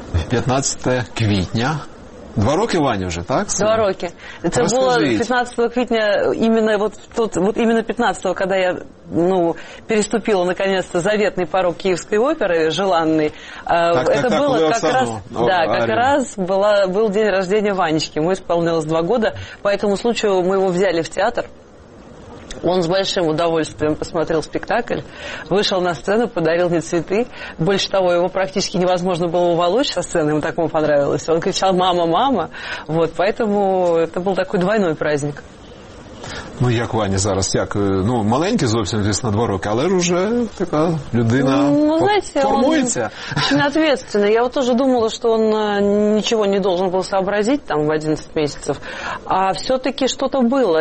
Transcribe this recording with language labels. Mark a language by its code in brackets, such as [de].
[uk] 15 квітня. Два роки, Ваня, вже, так? Два роки. Це було 15 квітня, іменно от тут, от іменно 15-го, коли я, ну, переступила [ru] наконец-то заветний [uk] порог Київської опери, желанний. [ru] Это было как Оксану, раз, о, да, как арену. Раз была, был день рождения Ванечки. Ему исполнилось 2 года, по этому случаю мы его взяли в театр. Он с большим удовольствием посмотрел спектакль, вышел на сцену, подарил мне цветы. Больше того, его практически невозможно было уволочь со сцены, ему так ему понравилось. Он кричал «мама, мама». Вот, поэтому это был такой двойной праздник. [uk] Ну, як Ваня зараз, як? Ну, маленький зовсім, звісно, 2 роки, але вже така людина, [ru] ну, знаете, [uk] формується. Ну, знаєте, він [ru] ответственный. Я вот тоже думала, что он ничего не должен был сообразить там в 11 месяцев, а все-таки что-то было.